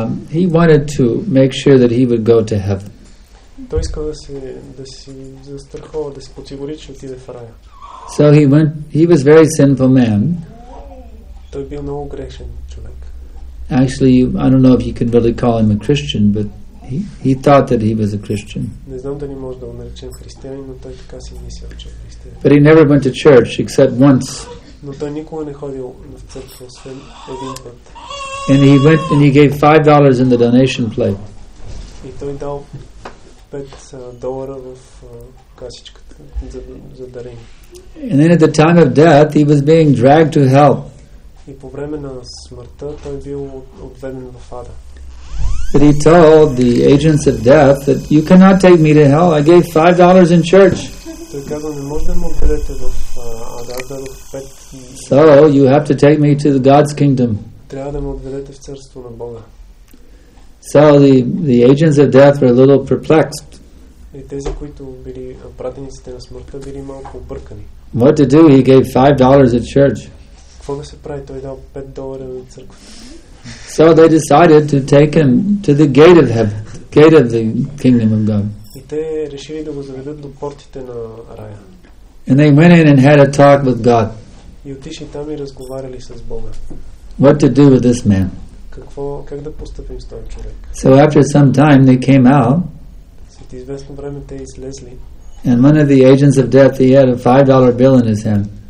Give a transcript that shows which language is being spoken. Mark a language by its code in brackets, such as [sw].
[en] He wanted to make sure that he would go to heaven. [bg] Той иска да си застрахова, да се подсигури, че отиде в рая. [en] So he went, he was very sinful man. [bg] Той бил много грешен човек. [en] Actually, I don't know if you can really call him a Christian, but he thought that he was a Christian. [bg] Не знам дали може да го наречем християнин, но той така си мислил, че е християнин. [en] But he never went to church except once. [bg] Но той никога не ходил на църква, освен един път. [en] And he went and he gave $5 in the donation plate. [bg] И той дал 5 долара в касичката за дарение. [en] And then at the time of death, he was being dragged to hell. [bg] И по време на смъртта той бил отведен в ада. [en] But he told the agents of death that you cannot take me to hell. I gave $5 in church. [bg] Той казва, не може да ме отведете в ада, аз дадох 5. [en] So you have to take me to the God's kingdom. [bg] Трябва да ме отведете в царство на Бога. [en] So the agents of death were a little perplexed. [bg] И тези, които били пратениците на смъртта, били малко объркани. [en] What to do? He gave $5 at church. [bg] Какво да се прави? Той дал 5 долара на църквата. [en] So they decided to take him to the gate of heaven, gate of the kingdom of God. [bg] И те решили да го заведат до портите на рая. [en] And they went in and had a talk with God. [bg] И отишли там и разговаряли с Бога. [en] What to do with this man? [bg] Как да постъпим с този човек? [en] So after some time they came out. [bg] След известно време те излезли. [en] And one of the agents of death, he had a $5 bill in his hand.